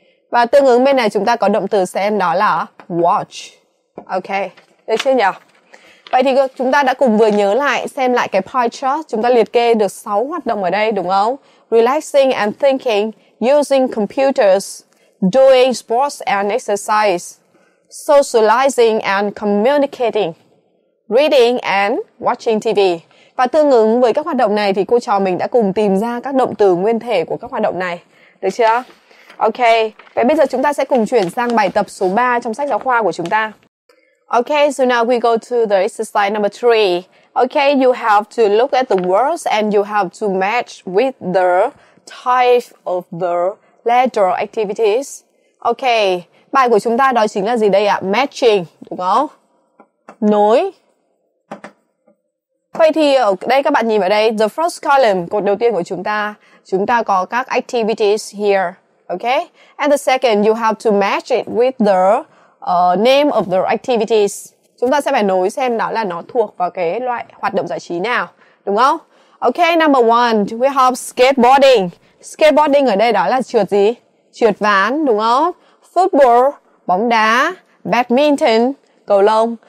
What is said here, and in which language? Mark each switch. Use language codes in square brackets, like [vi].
[vi] Và tương ứng bên này chúng ta có động từ xem đó là watch. Ok, được chưa nhỉ? Vậy thì chúng ta đã cùng vừa nhớ lại, xem lại cái pie chart. Chúng ta liệt kê được 6 hoạt động ở đây, đúng không? [en] Relaxing and thinking, using computers, doing sports and exercise, socializing and communicating, reading and watching TV. [vi] Và tương ứng với các hoạt động này thì cô trò mình đã cùng tìm ra các động từ nguyên thể của các hoạt động này. Được chưa? Ok, vậy bây giờ chúng ta sẽ cùng chuyển sang bài tập số 3 trong sách giáo khoa của chúng ta. [en] Ok, so now we go to the exercise number 3. Ok, you have to look at the words and you have to match with the type of the letter activities. [vi] Ok, bài của chúng ta đó chính là gì đây ạ? Matching, đúng không? Nối. Vậy thì ở đây các bạn nhìn vào đây, [en] the first column, [vi] cột đầu tiên của chúng ta có các [en] activities here. Okay? And the second, you have to match it with the name of the activities. [vi] Chúng ta sẽ phải nối xem đó là nó thuộc vào cái loại hoạt động giải trí nào. Đúng không? [en] Okay, number one, we have skateboarding. Skateboarding ở đây đó là trượt gì? [vi] Trượt ván, đúng không? Football, bóng đá, badminton, cầu lông.